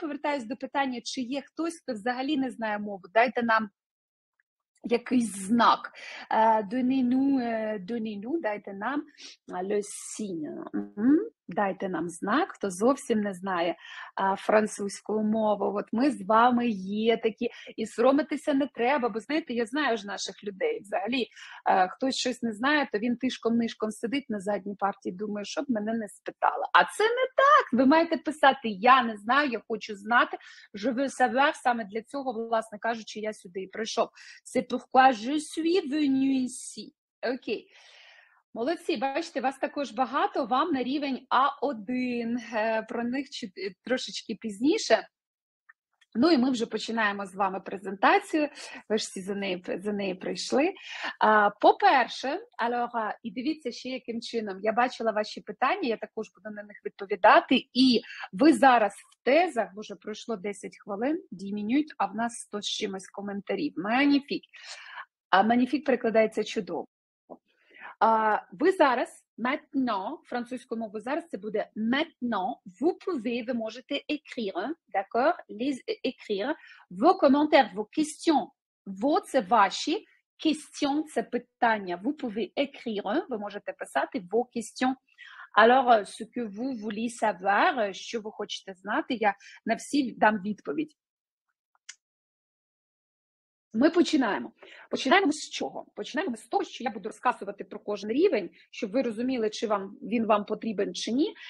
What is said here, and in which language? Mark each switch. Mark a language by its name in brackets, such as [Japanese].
[Ukrainian] Повертаюсь до питання, чи є хтось, хто взагалі не знає мову. Дайте нам якийсь знак. [French] Donnez-nous, [Ukrainian] дайте нам [French] le signe. [Ukrainian] Дайте нам знак, хто зовсім не знає французьку мову. От ми з вами є такі, і соромитися не треба, бо знаєте, я знаю ж наших людей. Взагалі, хтось щось не знає, то він тишком-нишком сидить на задній партії, думає, щоб мене не спитала. А це не так. Ви маєте писати, я не знаю, я хочу знати. [French] Je veux savoir, [Ukrainian] саме для цього, власне кажучи, я сюди і прийшов. [French] C'est pourquoi je suis venu ici. [Ukrainian] Окей. Молодці, бачите, вас також багато, вам на рівень А1, про них трошечки пізніше. Ну і ми вже починаємо з вами презентацію, ви ж всі за неї прийшли. По-перше, Альора, і дивіться ще яким чином, я бачила ваші питання, я також буду на них відповідати, і ви зараз в тезах, вже пройшло 10 хвилин, дімінюють, а в нас 100 з чимось коментарів. Маніфік. Маніфік перекладається чудово. Ви зараз, [French] maintenant, [Ukrainian] французьку мову зараз, це буде [French] maintenant, vous pouvez, [Ukrainian] ви можете [French] écrire, d'accord, écrire vos commentaires, vos questions, vos, [Ukrainian] це ваші, [French] questions, [Ukrainian] це питання, [French] vous pouvez écrire, [Ukrainian] ви можете писати [French] vos questions. Alors, ce que vous voulez savoir, [Ukrainian] що ви хочете знати, я на всі дам відповідь. Ми починаємо. Починаємо з чого? Починаємо з того, що я буду розказувати про кожен рівень, щоб ви розуміли, чи вам він вам потрібен, чи ні.